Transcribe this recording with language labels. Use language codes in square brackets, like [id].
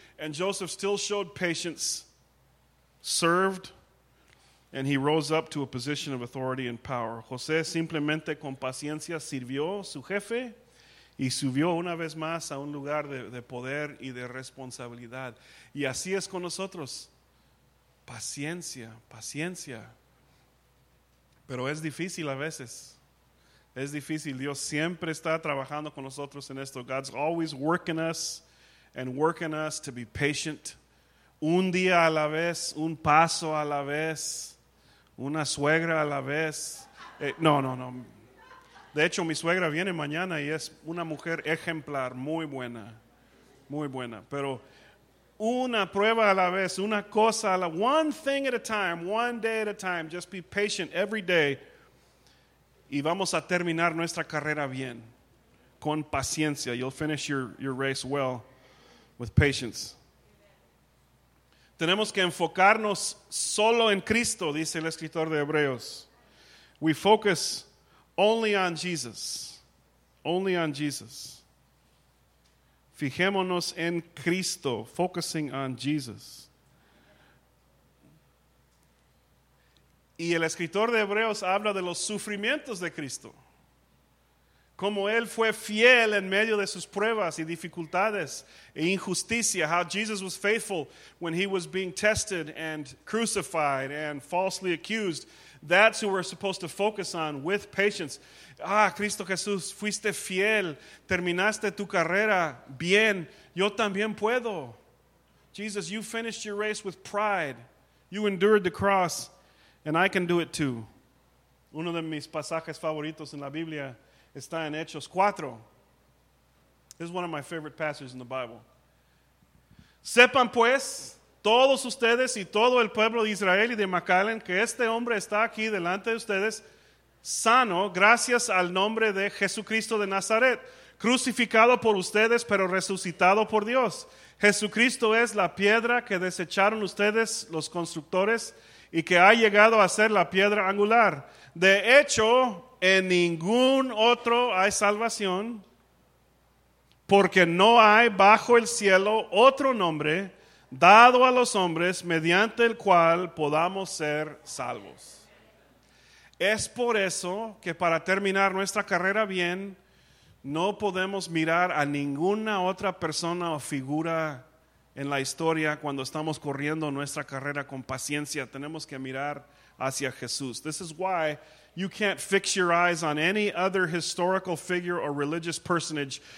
[en] And Joseph still showed patience, served, and he rose up to a position of authority and power. [es] José simplemente con paciencia sirvió su jefe y subió una vez más a un lugar de poder y de responsabilidad. Y así es con nosotros. Paciencia, paciencia. Pero es difícil a veces. Es difícil. Dios siempre está trabajando con nosotros en esto. [en] God's always working us and working us to be patient. [es] Un día a la vez, un paso a la vez, una suegra a la vez. No. De hecho, mi suegra viene mañana y es una mujer ejemplar, muy buena. Muy buena, pero una prueba a la vez, una cosa a la vez, [en] one thing at a time, one day at a time, just be patient every day, [es] y vamos a terminar nuestra carrera bien, con paciencia. [en] You'll finish your race well with patience. [es] Tenemos que enfocarnos solo en Cristo, dice el escritor de Hebreos. [en] We focus only on Jesus, only on Jesus. [es] Fijémonos en Cristo, [en] focusing on Jesus. [es] Y el escritor de Hebreos habla de los sufrimientos de Cristo. Como Él fue fiel en medio de sus pruebas y dificultades e injusticia. [en] How Jesus was faithful when He was being tested and crucified and falsely accused. That's who we're supposed to focus on with patience. [es] Ah, Cristo Jesús, fuiste fiel, terminaste tu carrera bien, yo también puedo. [en] Jesus, you finished your race with pride. You endured the cross, and I can do it too. [es] Uno de mis pasajes favoritos en la Biblia está en Hechos 4. [en] This is one of my favorite passages in the Bible. [es] Sepan pues, todos ustedes y todo el pueblo de Israel y de McAllen, que este hombre está aquí delante de ustedes sano gracias al nombre de Jesucristo de Nazaret, crucificado por ustedes pero resucitado por Dios. Jesucristo es la piedra que desecharon ustedes los constructores y que ha llegado a ser la piedra angular. De hecho, en ningún otro hay salvación, porque no hay bajo el cielo otro nombre dado a los hombres mediante el cual podamos ser salvos. Es por eso que para terminar nuestra carrera bien, no podemos mirar a ninguna otra persona o figura en la historia cuando estamos corriendo nuestra carrera con paciencia. Tenemos que mirar hacia Jesús. [en] This is why you can't fix your eyes on any other historical figure or religious personage.